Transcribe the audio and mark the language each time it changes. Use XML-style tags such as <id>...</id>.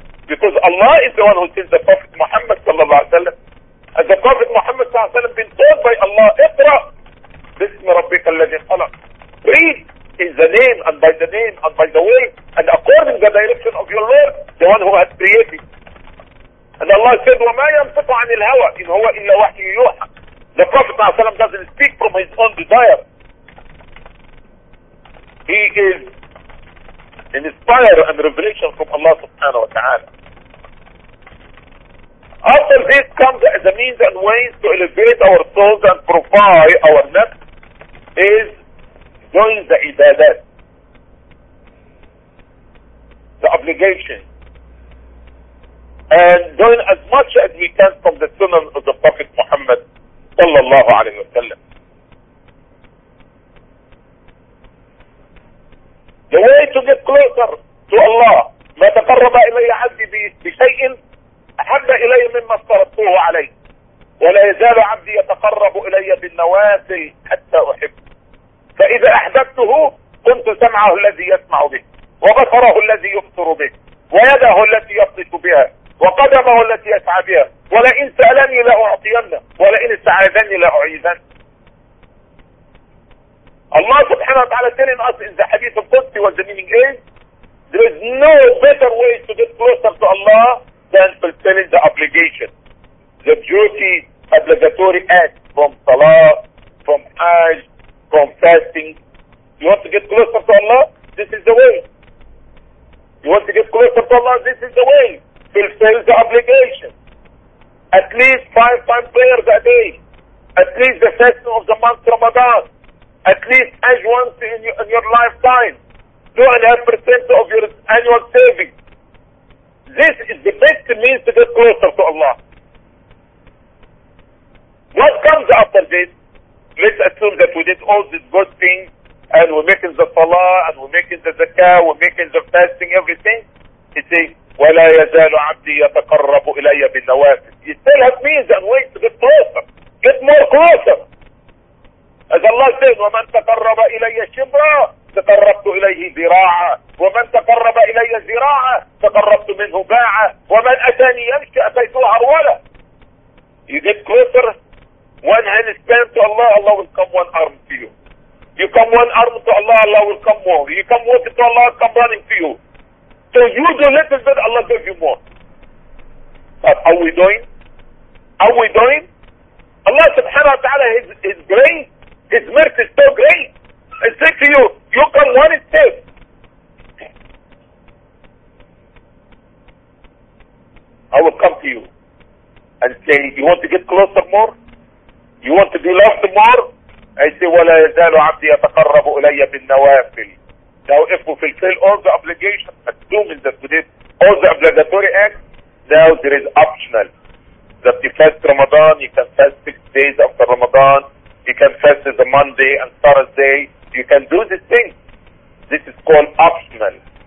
<en>Because Allah is the one who sends the Prophet Muhammad sallallahu alayhi wa sallam. And the Prophet Muhammad sallallahu alayhi wa sallam been told by Allah,</en> <ar>اقرأ بسم ربك الذي خلق.</ar> <en>Read in the name and by the name and by the way and according to the direction of your Lord, the one who has created. And Allah said,</en> <ar>وَمَا يَنْفِقُ عَنِ الْهَوَىٰ إِنْ هُوَ إِلَّا وَحْيُ يُوحَىٰ.</ar> <en>The Prophet ﷺ doesn't speak from his own desire. He is inspired and revelation from Allah subhanahu wa ta'ala. After this comes the means and ways to elevate our souls and purify our nafs is doing the ibadat, the obligation, and doing as much as we can from the sunnah of the Prophet Muhammad sallallahu alayhi wa sallam. The way to get closer to Allah,</en> <ar>ما تقرب إلي عبدي بشيء أحب إلي مما افترضته عليه ولا يزال عبدي يتقرب إلي بالنوافل حتى أحبه. فإذا أحببته كنت سمعه الذي يسمع به وبصره الذي يبصر به ويده التي يبطش بها وقدمه التي يسعى بها ولئن سألني لأعطينه ولئن استعاذني لأعيذنه.</ar> <en>Allah subhanahu wa ta'ala telling us in the hadith of Qudsi, what the meaning is, there is no better way to get closer to Allah than fulfilling the obligation, the duty, obligatory act from salah, from hajj, from fasting. You want to get closer to Allah? This is the way. You want to get closer to Allah? This is the way. Fulfill the obligation. At least 5 times prayers a day. At least the fasting of the month Ramadan. At least as once in your lifetime, 2.5% of your annual savings. This is the best means to get closer to Allah. What comes after this? Let's assume that we did all these good things, and we're making the salah, and we're making the zakah, we're making the fasting, everything. He says,</en> <ar>وَلَا يَزَالُ عَبْدِي يَتَقَرَّبُ إِلَيَّ بِالنَّوَافِلِ.</ar> <en>He still has means and ways to get closer. Get more closer. As Allah says,</en> <ar>وَمَنْ تَقَرَّبَ إِلَيَّ شِمْرًا تَقَرَّبْتُ إِلَيْهِ ذِرَاعًا وَمَنْ تَقَرَّبَ إِلَيَّ ذِرَاعًا تَقَرَّبْتُ مِنْهُ بَاعًا وَمَنْ أَتَانِي يَمْشِي أَتَيْتُ عَرْوَلَهُ.</ar> <en>You get closer, one hand is bent to Allah, Allah will come one arm to you. You come one arm to Allah, Allah will come more. You come walking to Allah, I'll come running to you. So you do little bit, Allah gives you more. But how we doing? How we doing? Allah subhanahu wa ta'ala is great. His mercy is so great. I say to you, you come one step. I will come to you and say, you want to get closer more? You want to be loved more? I say,</en> <ar>وَلَا يَزَالُ عَبْدِي يَتَقَرَّبُ إِلَيَّ بِالنَّوَافِلِ.</ar> <en>Now if we fulfill all the obligations, assuming that we did all the obligatory acts, now there is optional. That you fast Ramadan, you can fast 6 days after Ramadan, you can fast the Monday and Thursday. You can do this thing. This is called optional.</en>